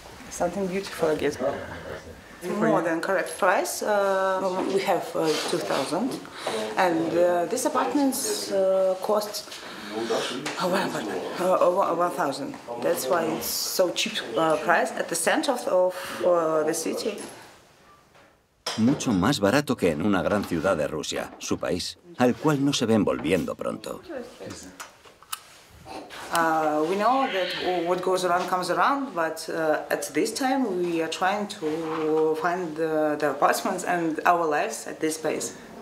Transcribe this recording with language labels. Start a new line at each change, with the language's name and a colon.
English: Something beautiful, I guess. More than correct price. We have 2,000, and this apartments cost 1,000. That's why it's so cheap price at the center of the city.
Spanish: Mucho más barato que en una gran ciudad de Rusia, su país, al cual no se ven volviendo pronto.
English: We know that what goes around comes around, but at this time we are trying to find the apartments and our lives at this place.